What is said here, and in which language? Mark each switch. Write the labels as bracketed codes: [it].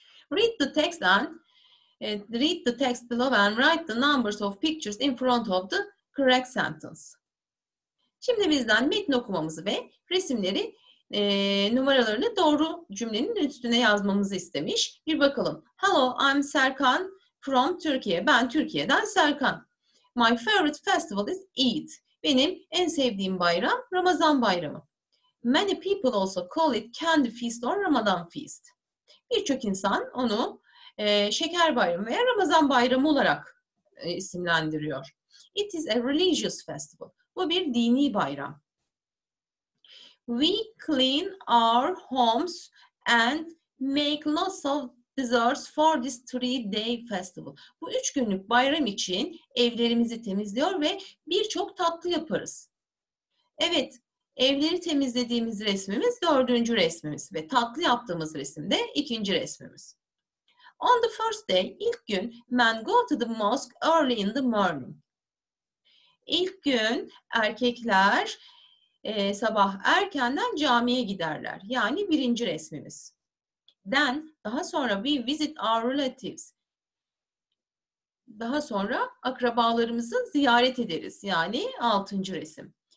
[en] Read the text and read the text below and write the numbers of pictures in front of the correct sentence. [tr] Şimdi bizden metin okumamızı ve resimleri numaralarını doğru cümlenin üstüne yazmamızı istemiş. Bir bakalım. [en] Hello, I'm Serkan from Turkey. [tr] Ben Türkiye'den Serkan. [en] My favorite festival is Eid. [tr] Benim en sevdiğim bayram Ramazan bayramı. [en] Many people also call it candy feast or Ramadan feast. [tr] Birçok insan onu şeker bayramı veya Ramazan bayramı olarak isimlendiriyor. [en] It is a religious festival. [tr] Bu bir dini bayram. [en] We clean our homes and make lots of deserves for this 3-day festival. [tr] Bu 3 günlük bayram için evlerimizi temizliyor ve birçok tatlı yaparız. Evet, evleri temizlediğimiz resmimiz 4. resmimiz ve tatlı yaptığımız resim de 2. resmimiz. [en] On the first day, [tr] ilk gün, [en] men go to the mosque early in the morning. [tr] İlk gün erkekler sabah erkenden camiye giderler. Yani 1. resmimiz. [en] Then, [tr] daha sonra [en] we visit our relatives. [tr] Daha sonra akrabalarımızı ziyaret ederiz. Yani 6. resim.